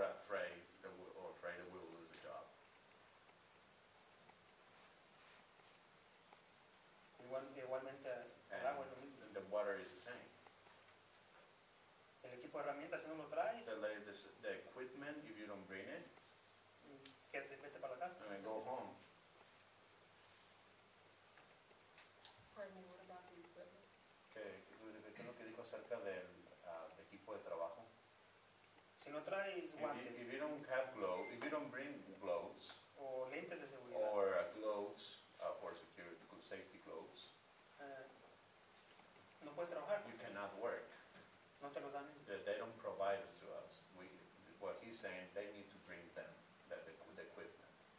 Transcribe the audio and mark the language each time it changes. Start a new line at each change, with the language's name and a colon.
English: Or afraid that we will lose a job.
Spanish: Igualmente, el agua es lo mismo.
English: The water is the same.
Spanish: El equipo de herramientas si no lo traes.
English: The equipment if you don't bring it.
Spanish: Que te vete para la casa.
English: And then go home. Pardon me, what about the equipment?
Spanish: Okay, ¿qué es lo que dijo acerca del equipo de trabajo? Si no traes guantes,
English: if you don't have gloves, if you don't bring gloves,
Spanish: o lentes de seguridad,
English: or gloves for security, safety gloves,
Spanish: no puedes trabajar.
English: You cannot work.
Spanish: No te los dan.
English: They don't provide us to us. What he's saying, they need to bring them the equipment.